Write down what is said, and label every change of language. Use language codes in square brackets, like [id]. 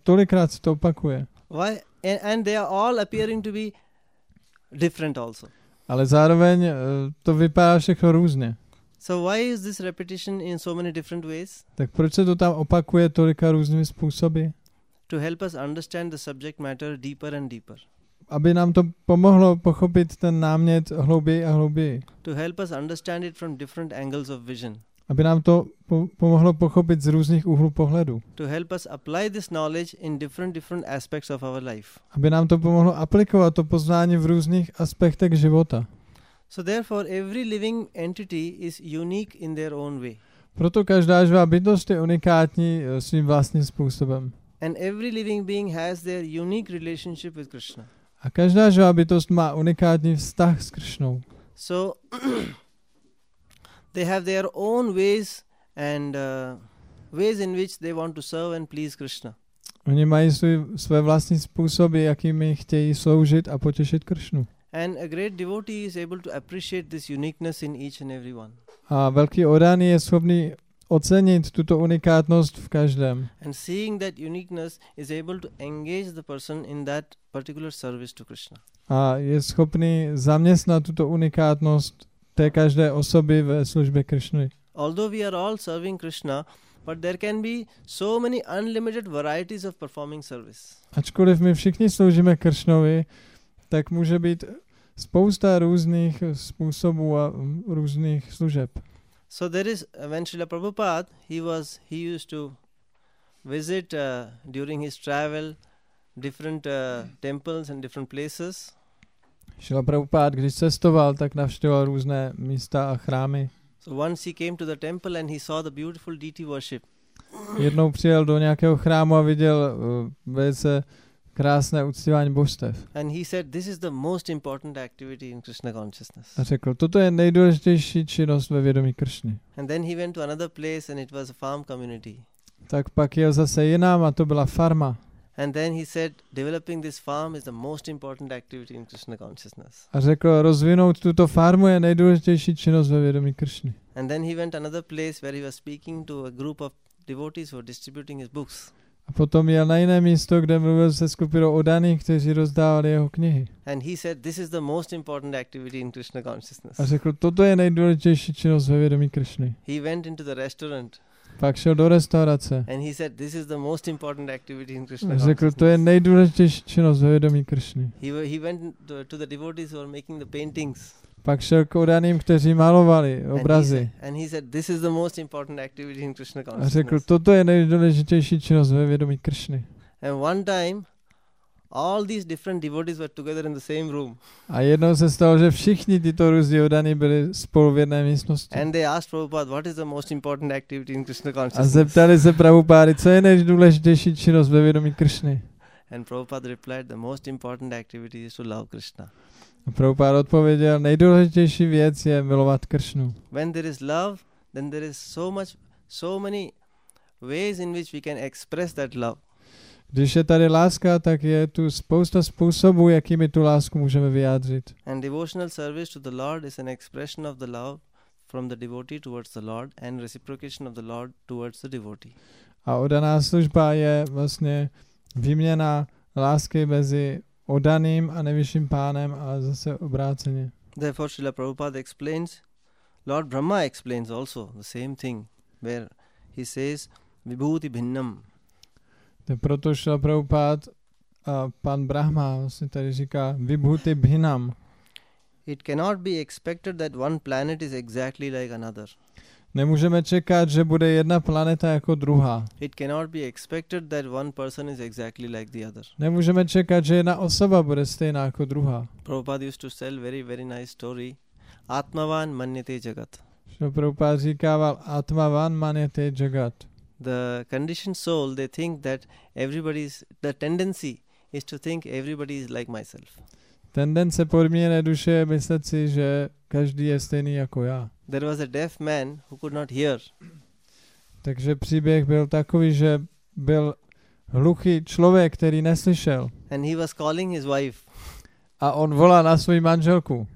[cs] Tolikrát se to opakuje. [en] Why? And they are all appearing to be different also. [cs] Ale zároveň to vypadá všechno různě. [en] So why is this repetition in so many different ways? [cs] Tak proč se to tam opakuje tolika různými způsoby? [en] To help us understand the subject matter deeper and deeper. [cs] Aby nám to pomohlo pochopit ten námět hlouběji a hlouběji. [en] To help us understand it from different angles of vision. [cs] Aby nám to pomohlo pochopit z různých úhlů pohledu. [en] To help us apply this knowledge in different aspects of our life. [cs] Aby nám to pomohlo aplikovat to poznání v různých aspektech života. [en] So therefore every living entity is unique in their own way. [cs] Proto každá živá bytost je unikátní svým vlastním způsobem. [en] And every living being has their unique relationship with Krishna. [cs] A každá živá bytost má unikátní vztah s Krishnou. [en] So they have their own ways and ways in which they want to serve and please Krishna. [cs] Oni mají své vlastní způsoby, jakými chtějí sloužit a potěšit Krishnu. [en] And a great devotee is able to appreciate this uniqueness in each and every one. [cs] A velký oddaný je schopný ocenit tuto unikátnost v každém. [en] And seeing that uniqueness is able to engage the person in that particular service to Krishna. [cs] A je schopný zaměstnat tuto unikátnost té každé osoby ve službě Krishny. [en] Although we are all serving Krishna, but there can be so many unlimited varieties of performing service. [cs] Ačkoliv my všichni sloužíme Krishnovi, tak může být spousta různých způsobů a různých služeb. [en] So there is when Srila Prabhupada, he used to visit during his travel different temples and different places. [cs] Srila Prabhupada, když cestoval, tak navštěvoval různé místa a chrámy. [en] So once he came to the temple and he saw the beautiful deity worship. [cs] Jednou přijel do nějakého chrámu a viděl velice krásné uctívání božstev. [en] And he said, this is the most important activity in Krishna consciousness. [cs] A řekl, toto je nejdůležitější činnost ve vědomí Krishny. [en] And then he went to another place and it was a farm community. [cs] Tak pak jel zase jinam a to byla farma. [en] And then he said, developing this farm is the most important activity in Krishna consciousness. [cs] A řekl, rozvinout tuto farmu je nejdůležitější činnost ve vědomí Krishny. [en] And then he went to another place where he was speaking to a group of devotees who were distributing his books. [cs] A potom jel na jiné místo, kde mluvil se skupinou oddaných, kteří rozdávali jeho knihy. [en] And he said, this is the most important activity in Krishna consciousness. [cs] A řekl, toto je nejdůležitější činnost ve vědomí Krishny. [en] He went into the restaurant. [cs] Pak šel do restaurace. [en] And he said, this is the most important activity in Krishna consciousness. [cs] Řekl, to je nejdůležitější činnost ve vědomí Krishny. [en] He went to the devotees who are making the paintings. [cs] Pak šel k oddaným, kteří malovali obrazy. [en] And he said, this is the most important activity in Krishna consciousness. [cs] A řekl, toto je nejdůležitější činnost ve vědomí Krishny. [en] And one time, all these different devotees were together in the same room. [cs] A jednou se stalo, že všichni tyto různí oddaní byli spolu v jedné místnosti. [en] And they asked Prabhupada, what is the most important activity in Krishna consciousness? [cs] A zeptali se Prabhupády, co je nejdůležitější činnost ve vědomí Krishny. [en] And Prabhupada replied, the most important activity is to love Krishna. [cs] A Prabhupada odpověděl, nejdůležitější věc je milovat Krishnu. [en] When there is love, then there is so many ways in which we can express that love. [cs] Když je tady láska, tak je tu spousta způsobů, jakými tu lásku můžeme vyjádřit. [en] And devotional service to the Lord is an expression of the love from the devotee towards the Lord and reciprocation of the Lord towards the devotee. [cs] A oddaná služba je vlastně výměna lásky mezi oddaným a nejvyšším pánem a zase obráceně. [en] Therefore Srila Prabhupada explains, Lord Brahma explains also the same thing. where he says vibhuti bhinnam. [cs] Proto Šrila Prabhupada, pan Brahma vlastně tady říká vibhuti bhinnam. [en] It cannot be expected that one planet is exactly like another. [cs] Nemůžeme čekat, že bude jedna planeta jako druhá. [en] It cannot be expected that one person is exactly like the other. [cs] Nemůžeme čekat, že jedna osoba bude stejná jako druhá. [en] Prabhupada used to tell very very nice story. Atmavan manyate jagat. [cs] Prabhupada říkával atmavan manyate jagat. [en] The conditioned soul, they think that everybody's, the tendency is to think everybody is like myself. [cs] Tendence podmíněné duše je myslet si, že každý je stejný jako já. [en] There was a deaf man who could not hear. [cs] Takže příběh byl takový, že byl hluchý člověk, který neslyšel. [en] And he was calling his wife. [cs] A on volá na svou manželku.